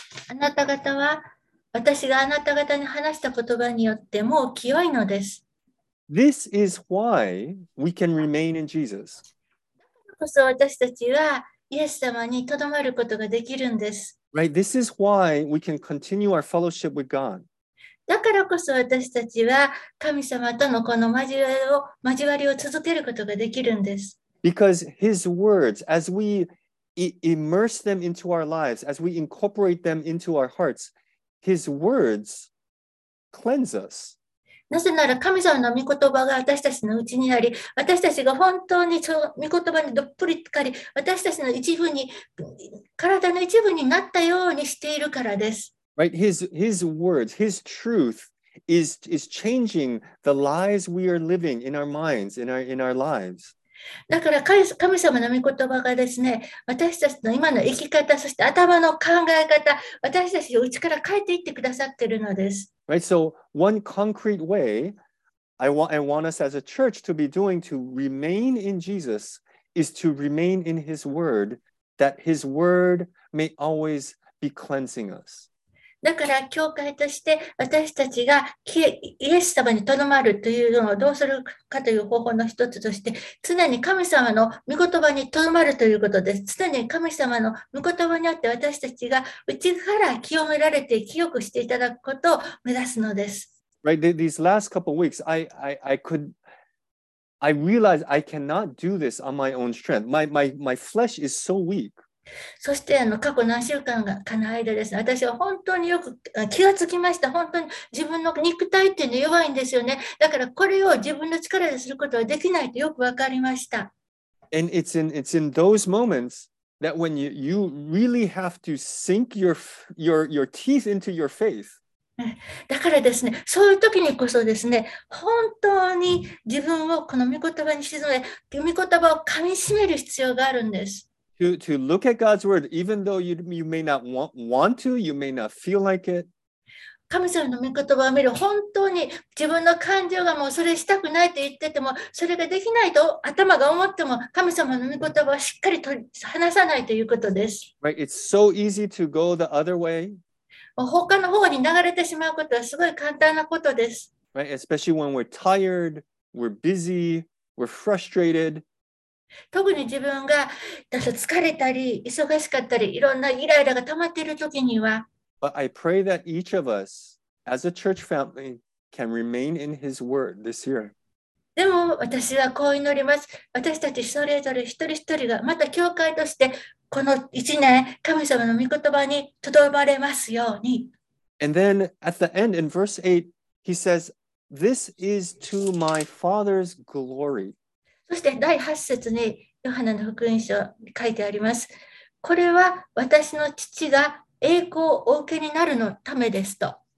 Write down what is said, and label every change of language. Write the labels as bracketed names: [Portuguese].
[Japanese] あなた方は私があなた方に話した言葉によってもう清いのです。 [English] This is why we can remain in Jesus. [Japanese] こそ私たちはイエス様にとどまることができるんです。 [English] Right, this is why we can continue our fellowship with God. [Japanese] だからこそ私たちは神様とのこの交わりを続けることができるんです。 [English] Because his words, as we immerse them into our lives, as we incorporate them into our hearts, his words cleanse us. [Japanese] なぜなら神様の御言葉が私たちのうちにあり、私たちが本当にその御言葉にどっぷりつかり、私たちの一部に、体の一部になったようにしているからです。 [English] Right? His words, his truth is changing the lies we are living in our minds, in our lives. [Japanese] だから神様の御言葉がですね、私たちの今の生き方、そして頭の考え方、私たちを内から変えていってくださっているのです。 [English] Right, so one concrete way I want us as a church to be doing to remain in Jesus is to remain in His Word, that His Word may always be cleansing us. [Japanese] だから教会として私たちがイエス様にとどまるというのをどうするかという方法の一つとして常に神様の御言葉にとどまるということです。常に神様の御言葉によって私たちが内から清められて清くしていただくことを目指すのです。 [English] Right, these last couple of weeks, I realized I cannot do this on my own strength. My flesh is so weak. [Japanese] そして過去何週間かの間ですね、私は本当によく気がつきました。本当に自分の肉体っていうのは弱いんですよね。だからこれを自分の力ですることはできないとよく分かりました。 [English] And it's in those moments that when you really have to sink your teeth into your faith. [Japanese] だからですね、そういう時にこそですね、本当に自分をこの御言葉に沈め、御言葉を噛み締める必要があるんです。 [English] To look at God's word, even though you may not want to, you may not feel like it. [Japanese] 神様の御言葉を見る、本当に自分の感情がもうそれしたくないと言ってても、それができないと頭が思っても、神様の御言葉をしっかり話さないということです。 [English] Right, it's so easy to go the other way. [Japanese] 他の方に流れてしまうことはすごい簡単なことです。 [English] Right, especially when we're tired, we're busy, we're frustrated. [Japanese] 特に自分が疲れたり忙しかったりいろんなイライラが溜まっている時には [English] But I pray that each of us as a church family can remain in his word this year. [Japanese] でも私はこう祈ります。私たちそれぞれ一人一人がまた教会としてこの1年神様の御言葉にとどまれますように。 [English] And then at the end in verse 8 he says, This is to my Father's glory. [Japanese] そして第8節にヨハネの福音書に書いてあります。これは私の父が栄光をお受けになるのためですと。